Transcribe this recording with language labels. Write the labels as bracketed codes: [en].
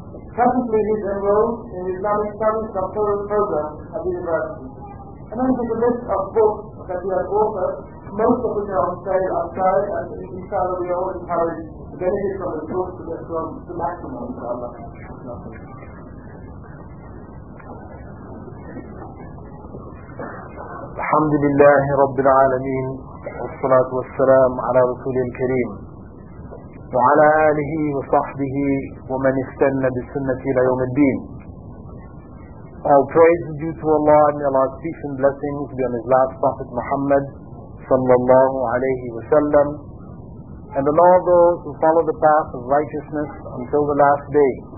[en] Presently, he is enrolled in the Islamic Studies Doctoral Program at the University. And then there's a list of books that he has authored, most of which are on sale outside, and inshallah we all encourage the benefits of his books to get from the maximum, inshallah. [ar] الحمد لله رب العالمين والصلاة والسلام على رسول الكريم وعلى آله وصحبه ومن استنى بالسنة إلى يوم الدين. [en] All praise be due to Allah and may Allah's peace and blessings be on His last Prophet Muhammad [ar] صلى الله عليه وسلم [en] and on all those who follow the path of righteousness until the last day.